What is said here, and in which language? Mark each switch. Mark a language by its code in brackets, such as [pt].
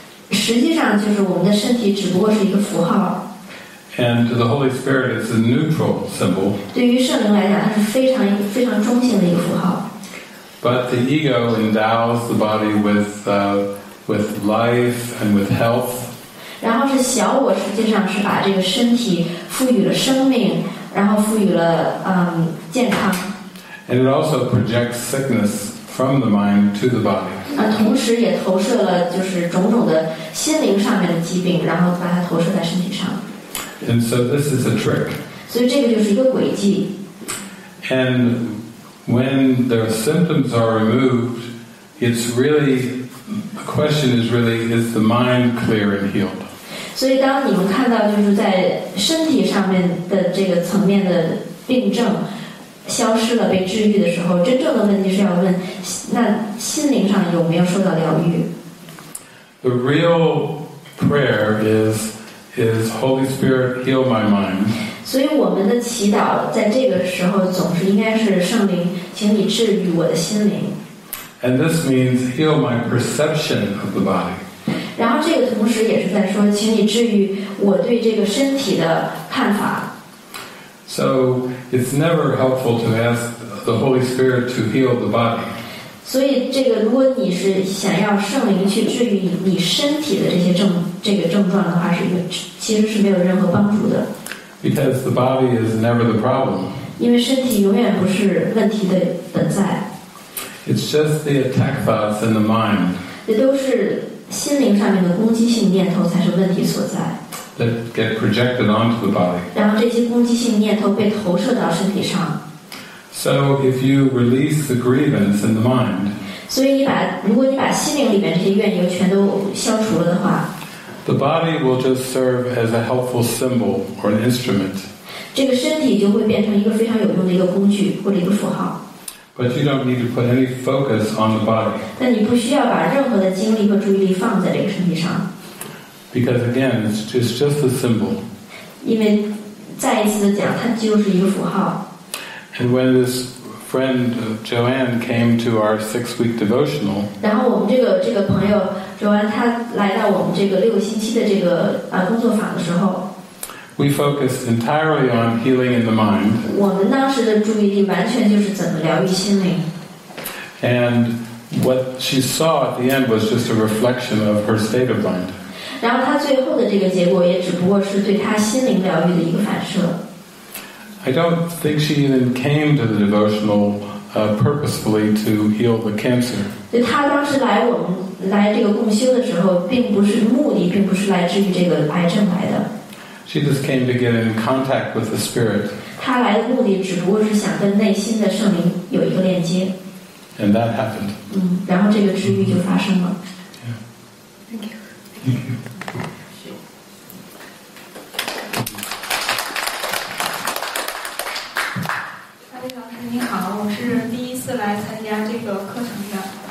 [zh] 实际上就是我们的身体只不过是一个符号。 [en] And to the Holy Spirit, it's a neutral symbol. [zh] 对于圣灵来讲，它是非常非常中性的一个符号。 [en] But the ego endows the body with with life and with health. [zh] 然后是小我实际上是把这个身体赋予了生命，然后赋予了健康。 [en] And it also projects sickness from the mind to the body. [zh] 同时也投射了就是种种的心灵上面的疾病，然后把它投射在身体上。 [en] And so this is a trick. [zh] 所以这个就是一个诡计。 [en] And when the symptoms are removed, it's really, the question is really, is the mind clear and healed? [zh] 所以当你们看到就是在身体上面的这个层面的病症消失了被治愈的时候，真正的问题是要问，那心灵上有没有受到疗愈？ [en] The real prayer is Holy Spirit, heal my mind. [zh] 所以我们的祈祷在这个时候总是应该是圣灵，请你治愈我的心灵。 [en] And this means heal my perception of the body. [zh] 然后这个同时也是在说，请你治愈我对这个身体的看法。 [en] So it's never helpful to ask the Holy Spirit to heal the body. [zh] 所以这个，如果你是想要圣灵去治愈你身体的这些症状的话，是一个其实是没有任何帮助的。 [en] Because the body is never the problem. [zh] 因为身体永远不是问题的本在。 [en] It's just the attack thoughts in the mind. [zh] 那都是心灵上面的攻击性念头才是问题所在。 [en] That get projected onto the body. [zh] 然后这些攻击性念头被投射到身体上。 [en] So if you release the grievance in the mind, [zh] 所以如果你把心灵里面这些怨尤全都消除了的话， [en] the body will just serve as a helpful symbol or an instrument. [zh] 这个身体就会变成一个非常有用的一个工具或者一个符号。 [en] But you don't need to put any focus on the body. [zh] 但你不需要把任何的精力和注意力放在这个身体上。 [en] Because again, it's just a symbol. [zh] 因为再一次的讲，它就是一个符号。 [en] And when this friend Joanne came to our six-week devotional, [zh] 然后我们这个朋友 Joanne 她来到我们这个六星期的这个工作坊的时候， [en] we focused entirely on healing in the mind. [zh] 我们当时的注意力完全就是怎么疗愈心灵。 [en] And what she saw at the end was just a reflection of her state of mind. [zh] 然后他最后的这个结果也只不过是对他心灵疗愈的一个反射。 [en] I don't think she even came to the devotional purposefully to heal the cancer. [zh] 就他当时来我们来这个共修的时候，并不是目的，并不是来治愈这个癌症来的。 [en] She just came to get in contact with the spirit. [zh] 他来的目的只不过是想跟内心的圣灵有一个链接。 [en] And that happened. [zh] 然后这个治愈就发生了。嘉宾老师你好，我是第一次来参加这个课程的。